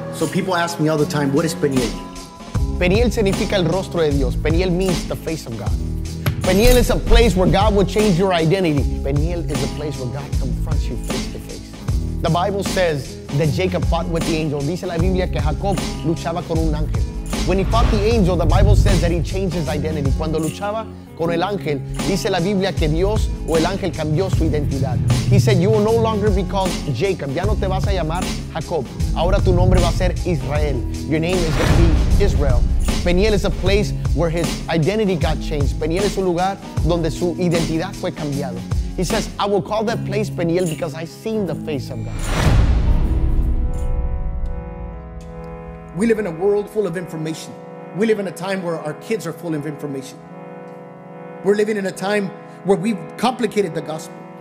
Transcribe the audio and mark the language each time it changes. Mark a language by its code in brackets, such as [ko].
[en] People ask me all the time, what is Peniel? [es] Peniel significa el rostro de Dios. [en] Peniel means the face of God. Peniel is a place where God will change your identity. Peniel is a place where God confronts you face to face. The Bible says that Jacob fought with the angel. [es] Dice la Biblia que Jacob luchaba con un ángel. [en] When he fought the angel, the Bible says that he changed his identity. [es] Cuando luchaba con el ángel, dice la Biblia que Dios o el ángel cambió su identidad. [en] He said, you will no longer be called Jacob. [es] Ya no te vas a llamar Jacob. Ahora tu nombre va a ser Israel. [en] Your name is going to be Israel. Peniel is a place where his identity got changed. [es] Peniel es un lugar donde su identidad fue cambiado. [en] He says, I will call that place Peniel because I've seen the face of God. We live in a world full of information. We live in a time where our kids are full of information. We're living in a time where we've complicated the gospel.